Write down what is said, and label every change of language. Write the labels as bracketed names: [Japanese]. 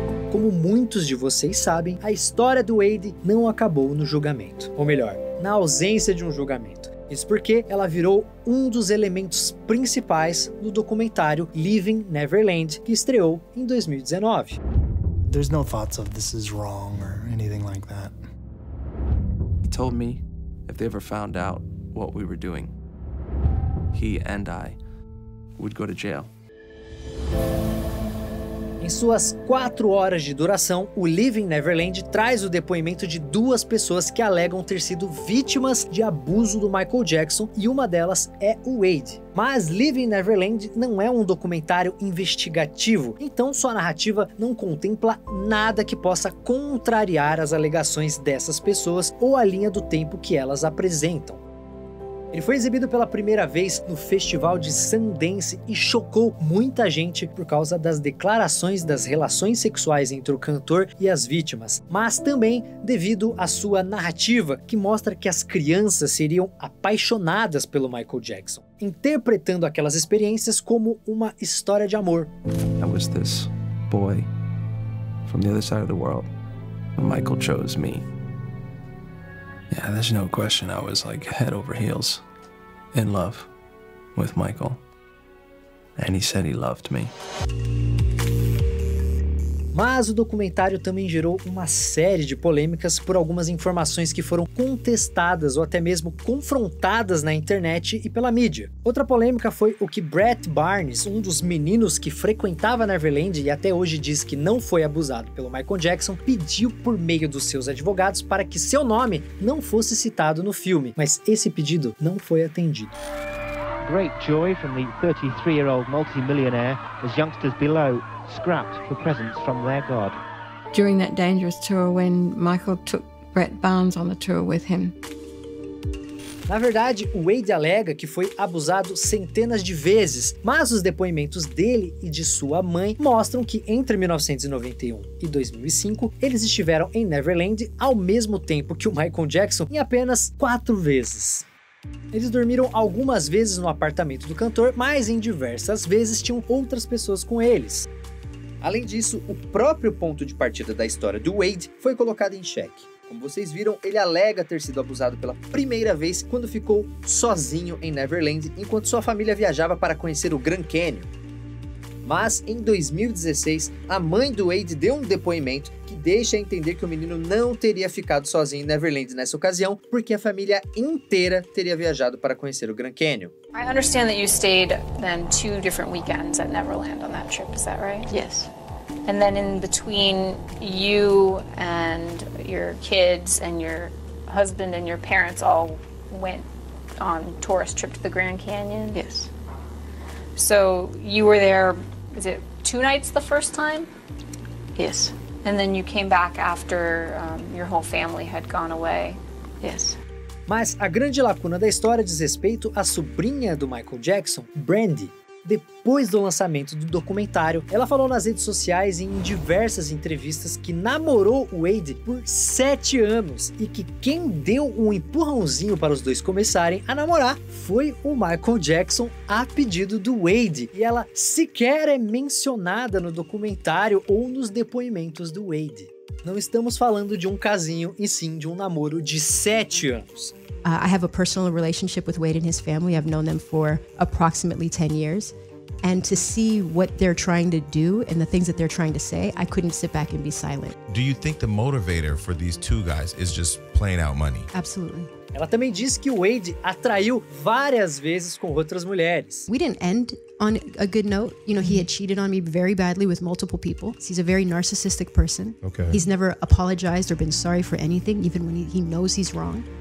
[Portuguese] Como muitos de vocês sabem, a história do Wade não acabou no julgamento. Ou melhor, na ausência de um julgamento. Isso porque ela virou um dos elementos principais do documentário Leaving Neverland, que estreou em 2019. [English] There's no thoughts of this is wrong or anything like that. He told me if they ever found out what we were doing, he and I would go to jail. [Portuguese] Em suas 4 horas de duração, o Leaving Neverland traz o depoimento de duas pessoas que alegam ter sido vítimas de abuso do Michael Jackson, e uma delas é o Wade. Mas Leaving Neverland não é um documentário investigativo, então sua narrativa não contempla nada que possa contrariar as alegações dessas pessoas ou a linha do tempo que elas apresentam. Ele foi exibido pela primeira vez no Festival de Sundance e chocou muita gente por causa das declarações das relações sexuais entre o cantor e as vítimas, mas também devido à sua narrativa, que mostra que as crianças seriam apaixonadas pelo Michael Jackson, interpretando aquelas experiências como uma história de amor. [English] I was this boy from the other side of the world. Michael chose me. Yeah, there's no question I was like head over heels in love with Michael. And he said he loved me. [Portuguese] Mas o documentário também gerou uma série de polêmicas por algumas informações que foram contestadas ou até mesmo confrontadas na internet e pela mídia. Outra polêmica foi o que Brett Barnes, um dos meninos que frequentava Neverland e até hoje diz que não foi abusado pelo Michael Jackson, pediu por meio dos seus advogados para que seu nome não fosse citado no filme, mas esse pedido não foi atendido. [English] Great joy from the 33-year-old multimillionaire as youngsters below scrapped for presents from their god. During that dangerous tour when Michael took Brett Barnes on the tour with him. [Portuguese] Na verdade, o Wade alega que foi abusado centenas de vezes, mas os depoimentos dele e de sua mãe mostram que entre 1991 e 2005, eles estiveram em Neverland ao mesmo tempo que o Michael Jackson em apenas 4 vezes. Eles dormiram algumas vezes no apartamento do cantor, mas em diversas vezes tinham outras pessoas com eles. Além disso, o próprio ponto de partida da história do Wade foi colocado em xeque. Como vocês viram, ele alega ter sido abusado pela primeira vez quando ficou sozinho em Neverland enquanto sua família viajava para conhecer o Grand Canyon. Mas em 2016, a mãe do Wade deu um depoimento que deixa entender que o menino não teria ficado sozinho em Neverland nessa ocasião, porque a família inteira teria viajado para conhecer o Grand Canyon. [English] I understand that you stayed then two different weekends at Neverland on that trip, is that right? Yes. And then in between you and your kids and your husband and your parents all went on a tourist trip to the Grand Canyon? Yes. So you were there, is it two nights the first time? Yes. And then you came back after your whole family had gone away? Yes. [Portuguese] Mas a grande lacuna da história diz respeito à sobrinha do Michael Jackson, Brandy. Depois do lançamento do documentário, ela falou nas redes sociais e em diversas entrevistas que namorou o Wade por 7 anos e que quem deu um empurrãozinho para os dois começarem a namorar foi o Michael Jackson a pedido do Wade. E ela sequer é mencionada no documentário ou nos depoimentos do Wade. Não estamos falando de um casinho, e sim de um namoro de 7 anos. [English] I have a personal relationship with Wade and his family. I've known them for approximately 10 years. And to see what they're trying to do and the things that they're trying to say, I couldn't sit back and be silent. Do you think the motivator for these two guys is just plain out money? Absolutely. [Portuguese] Ela também disse que o Wade a traiu várias vezes com outras mulheres. [English] We didn't end on a good note. You know, he had cheated on me very badly with multiple people. He's a very narcissistic person. Okay. He's never apologized or been sorry for anything, even when he knows he's wrong.